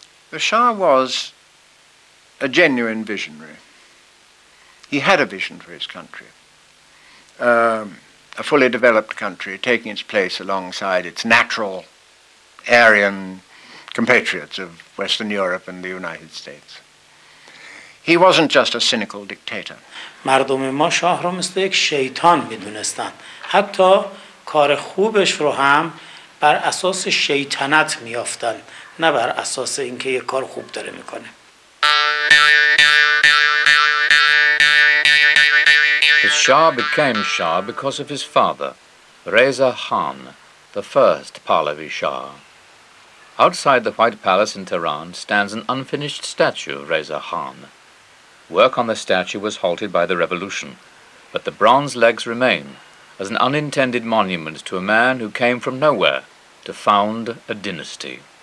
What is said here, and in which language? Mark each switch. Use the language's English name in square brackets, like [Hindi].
[English] The Shah was a genuine visionary. He had a vision for his country. A fully developed country taking its place alongside its natural Aryan compatriots of Western Europe and the United States. He wasn't just a cynical dictator. [Persian] مردم ما شاه رو مثل یک شیطان می‌دونستان. حتی کار خوبش رو هم بر اساس شیطنت می‌یافتن، نه بر اساس اینکه یک کار خوب داره می‌کنه. [English] The Shah became Shah because of his father, Reza Khan, the first Pahlavi Shah. Outside the White Palace in Tehran stands an unfinished statue of Reza Khan. Work on the statue was halted by the revolution, but the bronze legs remain as an unintended monument to a man who came from nowhere to found a dynasty.